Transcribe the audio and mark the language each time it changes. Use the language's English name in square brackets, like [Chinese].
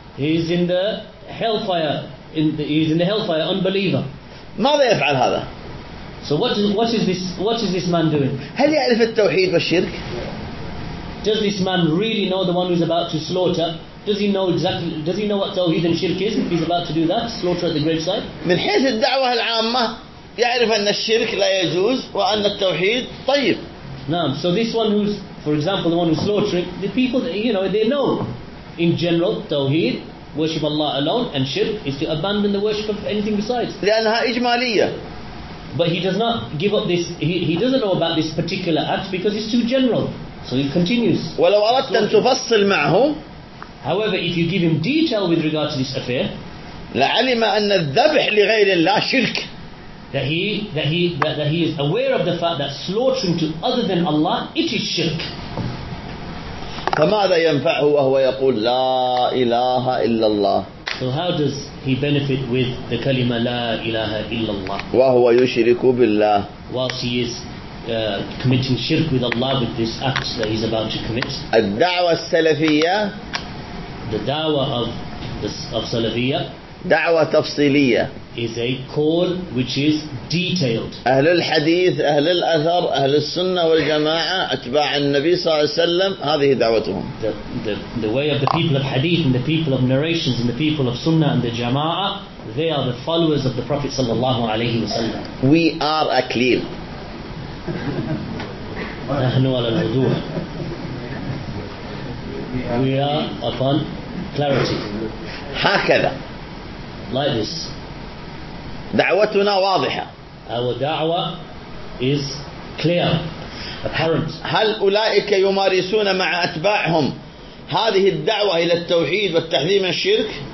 [English] He is in the hellfire, unbeliever. [Arabic] ماذا يفعل هذا؟ [English] So what is this man doing? [Arabic] هل يعرف التوحيد والشرك? [English] Does this man really know the one who's about to slaughter? Does he know exactly? Does he know what tawhid and shirk is? If he's about to do that, slaughter at the graveside? [Arabic] من حيث الدعوة العامة يعرف أن الشرك لا يجوز وأن التوحيد طيب. نعم. [English] So this one who's, for example, the one who's slaughtering, the people, you know, they know in general tawhid, worship Allah alone, and shirk is to abandon the worship of anything besides. [Arabic] لأنها إجمالية. [English] But he does not give up this. He doesn't know about this particular act because it's too general. So he continues. [Arabic] ولو أردت أن تفصل معه. [English] However, if you give him detail with regard to this affair, [Arabic] لعلم أن الذبح لغير الله شرك. [English] That he is aware of the fact that slaughtering to other than Allah it is shirk. [Arabic] فماذا ينفعه وهو يقول لا إله إلا الله. [English] So how does he benefit with the kalima [Arabic] la ilaha illallah? وهو يشرك بالله. [English] Whilst he is committing shirk with Allah with this act that he's about to commit. [Arabic] الدعوة السلفية. [English] The dawah of Salafiyya. [Arabic] دعوة تفصيلية. [English] Is a call which is detailed. [Arabic] أهل الحديث, أهل الأثر, أهل السنة والجماعة, أتباع النبي صلى الله عليه وسلم, هذه دعوتهم. [English] The way of the people of hadith and the people of narrations and the people of sunnah and the jama'ah, they are the followers of the Prophet [Arabic] صلى الله عليه وسلم. [English] We are a clear. [Arabic] نحن على الوضوح. [English] We are upon clarity. [Arabic] هكذا. [English] Like this. [Arabic] دعوتنا واضحة. [English] Our دعوة is clear, apparent. [Arabic] هل أولئك يمارسون مع أتباعهم هذه الدعوة إلى التوحيد والتحذير من الشرك?